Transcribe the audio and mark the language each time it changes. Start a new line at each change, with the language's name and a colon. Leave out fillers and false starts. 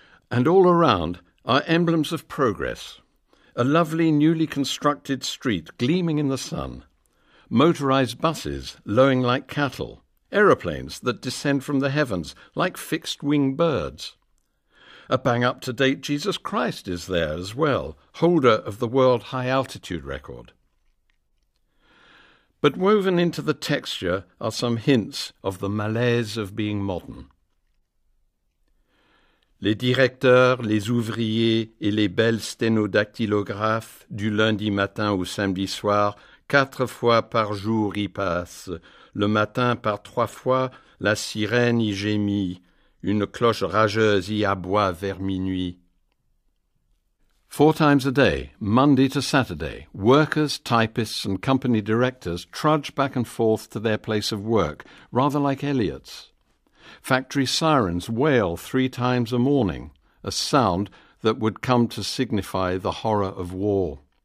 English: And all around are emblems of progress, a lovely newly constructed street gleaming in the sun, motorized buses lowing like cattle, aeroplanes that descend from the heavens like fixed-wing birds. A bang-up-to-date Jesus Christ is there as well, holder of the world high-altitude record. But woven into the texture are some hints of the malaise of being modern.
French: Les directeurs, les ouvriers et les belles sténodactylographes du lundi matin au samedi soir, quatre fois par jour y passent. Le matin, par trois fois, la sirène y gémit. Une cloche rageuse y aboie vers minuit.
English: Four times a day, Monday to Saturday, workers, typists and company directors trudge back and forth to their place of work, rather like Eliot's. Factory sirens wail three times a morning, a sound that would come to signify the horror of war.